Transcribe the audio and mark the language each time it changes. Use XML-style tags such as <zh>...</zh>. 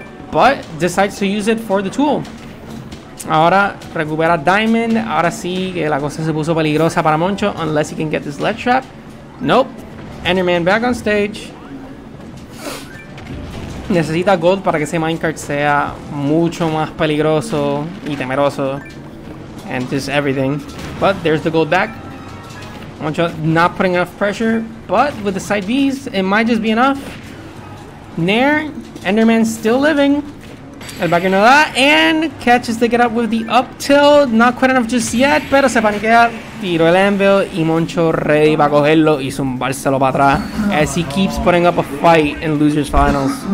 <en>But decides to use it for the tool.</en> <es>Ahora recupera diamond. Ahora sí que la cosa se puso peligrosa para Moncho.</es> <en>Unless he can get this ledge trap.</en> <es>Nope.</es> <en>Enderman back on stage.</en> <es>Necesita gold para que ese minecart sea mucho más peligroso y temeroso.</es> <en>And just everything. But there's the gold back. Moncho not putting enough pressure. But with the side Bs, it might just be enough. Nair. Enderman still living. El back into that, and catches the get up with the up tilt. Not quite enough just yet,</en> <es>pero se paniquea. Tiro el anvil, y Moncho ready para cogerlo y zumbárselo para atrás.</es> <en>As he keeps putting up a fight in Losers Finals.</en>